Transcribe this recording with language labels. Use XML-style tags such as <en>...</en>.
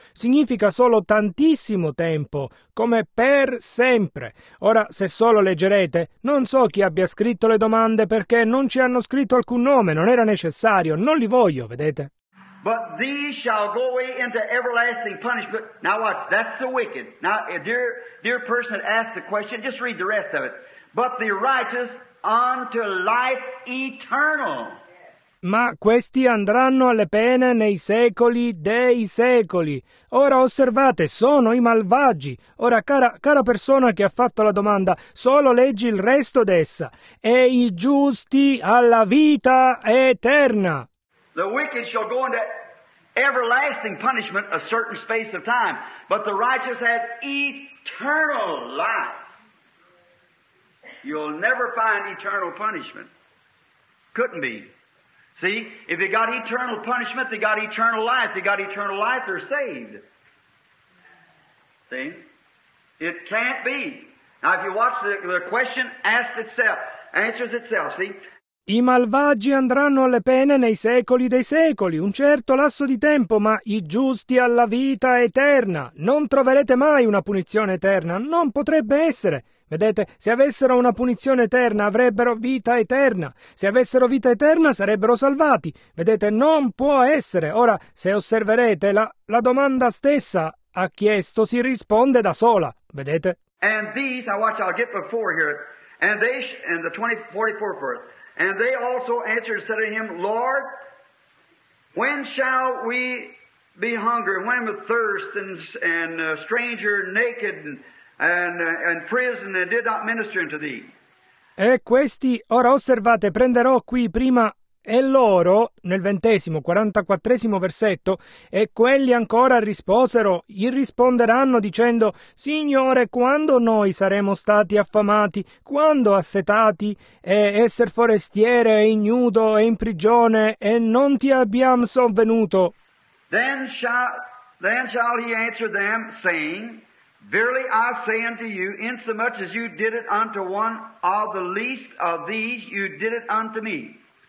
<it>Significa solo tantissimo tempo, come per sempre. Ora, se solo leggerete, non so chi abbia scritto le domande perché non ci hanno scritto alcun nome, non era necessario, non li voglio, vedete?</it> <en>But these shall go away into everlasting punishment. Now watch, that's the wicked. Now, a dear person that asked the question, just read the rest of it. But the righteous unto life eternal.</en> <it>Ma questi andranno alle pene nei secoli dei secoli. Ora osservate, sono i malvagi. Ora, cara persona che ha fatto la domanda, solo leggi il resto d'essa. E i giusti alla vita eterna.</it> <en>The wicked shall go into everlasting punishment a certain space of time, but the righteous have eternal life. You'll never find eternal punishment. Couldn't be. See, if they got eternal punishment, they got eternal life. They got eternal life, they're saved. See? It can't be. Now, if you watch the question, asks itself, answers itself, see?</en> <it>I malvagi andranno alle pene nei secoli dei secoli, un certo lasso di tempo, ma i giusti alla vita eterna. Non troverete mai una punizione eterna, non potrebbe essere. Vedete, se avessero una punizione eterna, avrebbero vita eterna. Se avessero vita eterna, sarebbero salvati. Vedete, non può essere. Ora, se osserverete, la domanda stessa ha chiesto, si risponde da sola. Vedete?</it> <en>And these, now watch, I'll get before here, and they, and the 2044 first. And they also answered and said to him, Lord, when shall we be hungry, when with thirst, and stranger naked, and prison, and did not minister unto thee?</en> <it>E questi, ora osservate, prenderò qui prima e loro, nel 20°, 44° versetto, e quelli ancora risposero, gli risponderanno dicendo, Signore, quando noi saremo stati affamati, quando assetati, e esser forestiere, e ignudo, e in prigione, e non ti abbiamo sovvenuto?</it> <en>Then shall he answer them, saying, Verily I say unto you, insomuch as you did it unto one of the least of these, you did it unto me.</en>